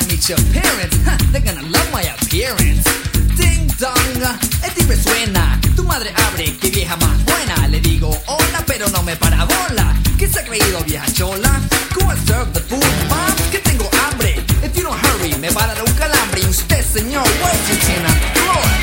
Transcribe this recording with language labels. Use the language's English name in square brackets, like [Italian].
[English] Your parents, huh, they're gonna love my appearance. [Spanish] Ding dong, el timbre suena. Tu madre abre, que vieja más buena. Le digo hola, pero no me para bola. ¿Qué se ha creído, vieja chola? [English] Go and serve the food, mom, [Spanish] que tengo hambre. [English] If you don't hurry, [Spanish] me va a dar un calambre. Y usted, señor, [English] what's your chin on the floor?